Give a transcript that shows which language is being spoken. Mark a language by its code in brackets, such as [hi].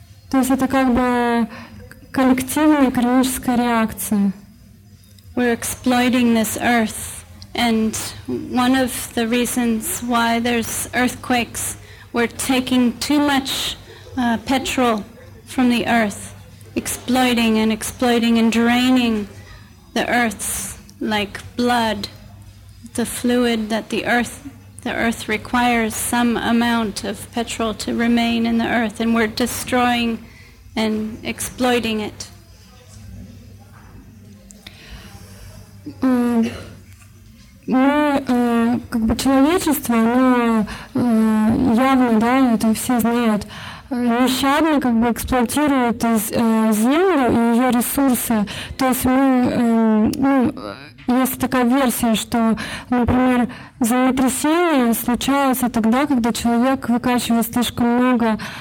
[ru] То есть это как бы коллективная кармическая реакция. [en] We're exploiting this earth. And one of the reasons why there's earthquakes, we're taking too much petrol from the earth, exploiting and exploiting and draining the earth's like blood, the fluid that the earth requires some amount of petrol to remain in the earth, and we're destroying and exploiting it. [ru] Мы, как бы человечество, оно явно, да, это все знают, нещадно как бы эксплуатирует землю и ее ресурсы. То есть мы, есть такая версия, что, например, землетрясения случаются тогда, когда человек выкачивает слишком много